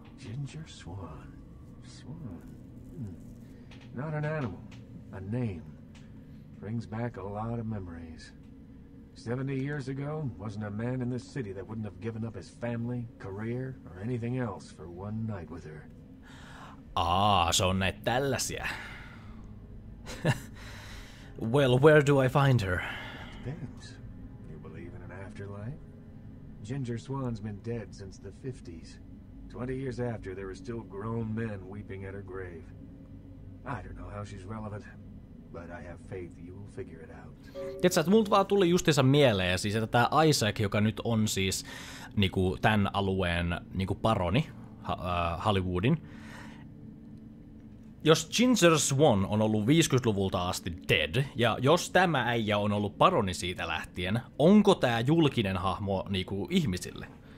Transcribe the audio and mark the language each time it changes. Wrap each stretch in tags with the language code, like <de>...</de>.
<en>Ginger swan. Swan. Hmm. Not an animal. A name. Brings back a lot of memories. 70 years ago, wasn't a man in this city that wouldn't have given up his family, career, or anything else for one night with her.</en> <fi>Ah, se on näitä tällaisia.</fi> <en>Well, where do I find her? Depends. You believe in an afterlife? Ginger Swan's been dead since the 50s. 20 years after, there are still grown men weeping at her grave. I don't know how she's relevant. But I have faith you will figure it out.</en> <fi>Tiedätkö, että multa vaan tuli justiinsa mieleen, siis että tämä Isaac, joka nyt on siis niinku tämän alueen niinku paroni, Hollywoodin. Jos Ginger Swan on ollut 50-luvulta asti dead, ja jos tämä äijä on ollut paroni siitä lähtien, onko tää julkinen hahmo niinku ihmisille?</fi>